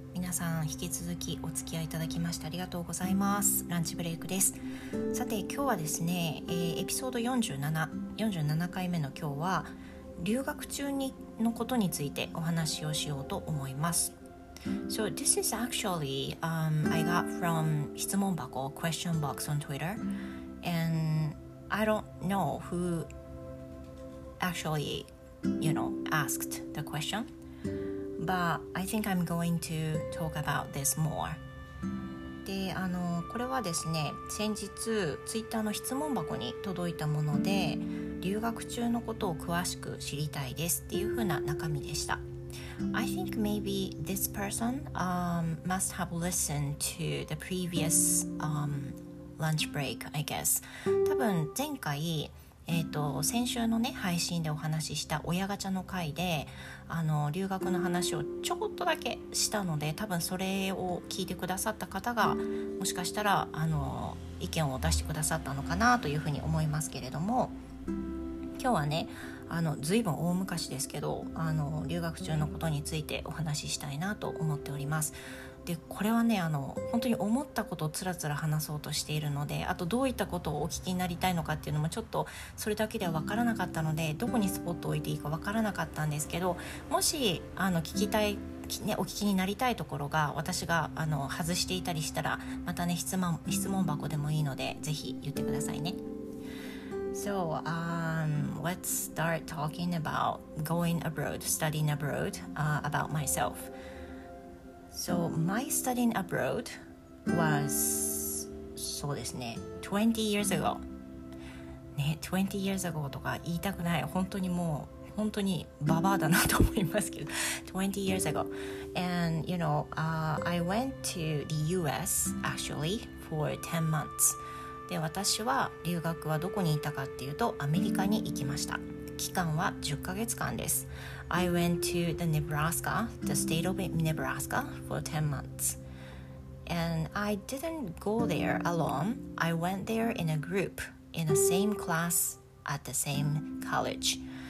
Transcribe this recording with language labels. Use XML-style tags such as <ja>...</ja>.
<ja>皆さん引き続きお付き合いいただきましてありがとうございます。ランチブレイクです。さて今日はですね、エピソード47回目の今日は留学中にのことについてお話をしようと思います。</ja> <en>So this is actually I got from 質問箱 question box on Twitter, and I don't know who actually, you know, asked the questionBut I think I'm going to talk about this more.</en> <ja>で、これはですね、先日 Twitter の質問箱に届いたもので、留学中のことを詳しく知りたいですっていう風な中身でした。</ja> <en>I think maybe this person must have listened to the previous lunch break, I guess.</en> <ja>多分前回、先週のね配信でお話しした親ガチャの回で留学の話をちょっとだけしたので、多分それを聞いてくださった方がもしかしたら意見を出してくださったのかなというふうに思いますけれども、今日はね随分大昔ですけど留学中のことについてお話ししたいなと思っております。でこれはね本当に思ったことをつらつら話そうとしているので、あとどういったことをお聞きになりたいのかっていうのもちょっとそれだけでは分からなかったので、どこにスポットを置いていいか分からなかったんですけど、もし聞きたい、ね、お聞きになりたいところが私が外していたりしたら、またね質問箱でもいいのでぜひ言ってくださいね。</ja> <en>So let's start talking about going abroad, studying abroad, about myselfSo my studying abroad was,</en> <ja>そうですね、</ja> <en>20 years ago.</en> <ja>ね、20 years ago とか言いたくない。本当にもう、本当にババアだなと思いますけど。</ja> <en>20 years ago. And, you know, I went to the US, actually, for 10 months.</en> <ja>で、私は留学はどこにいたかっていうとアメリカに行きました。期間は10ヶ月間です。</ja> <en>I went to the Nebraska, the state of Nebraska for 10 months and I didn't go there alone. I went there in a group in the same class at the same college.</en>